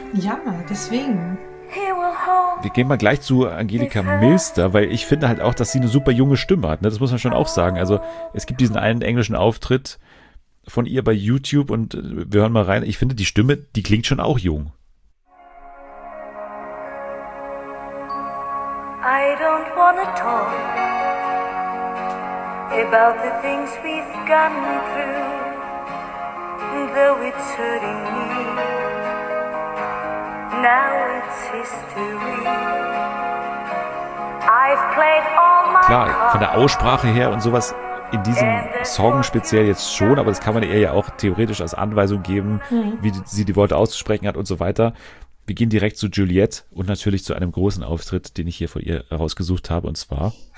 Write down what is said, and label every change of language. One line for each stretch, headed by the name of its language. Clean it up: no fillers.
German: ja, deswegen. Wir gehen mal gleich zu Angelika Milster, weil ich finde halt auch, dass sie eine super junge Stimme hat. Ne? Das muss man schon auch sagen. Also es gibt diesen einen englischen Auftritt von ihr bei YouTube und wir hören mal rein. Ich finde, die Stimme, die klingt schon auch jung.
English: I don't wanna talk about the things we've gone through. Though it's hurting me, now it's history. I've played all my
German: Klar, von der Aussprache her und sowas in diesem Song speziell jetzt schon, aber das kann man ihr ja auch theoretisch als Anweisung geben, wie sie die Worte auszusprechen hat und so weiter. Wir gehen direkt zu Juliette und natürlich zu einem großen Auftritt, den ich hier von ihr herausgesucht habe, und zwar...